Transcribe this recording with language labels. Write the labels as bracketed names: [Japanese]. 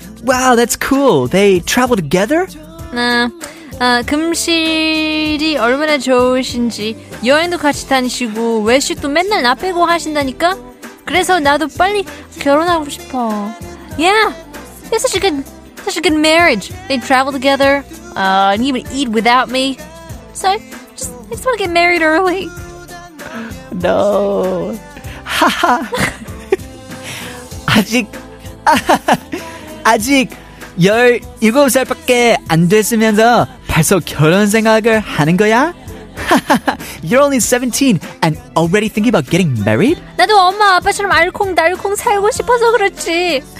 [English] Wow, that's cool. They travel together? [Korean] 금실이 얼마나 좋으신지. 여행도 같이 다니시고 외식도 맨날 나 빼고 하신다니까. 그래서 나도 빨리 결혼하고 싶어. [English] Yeah, it's such a good marriage. They travel together, and even eat without me. So, I just want to get married early. No. Haha. [Korean] 아직 17살밖에 안 됐으면서 벌써 결혼 생각을 하는 거야? [English] You're only 17 and already thinking about getting married? [Korean] 나도 엄마 아빠처럼 알콩달콩 살고 싶어서 그렇지.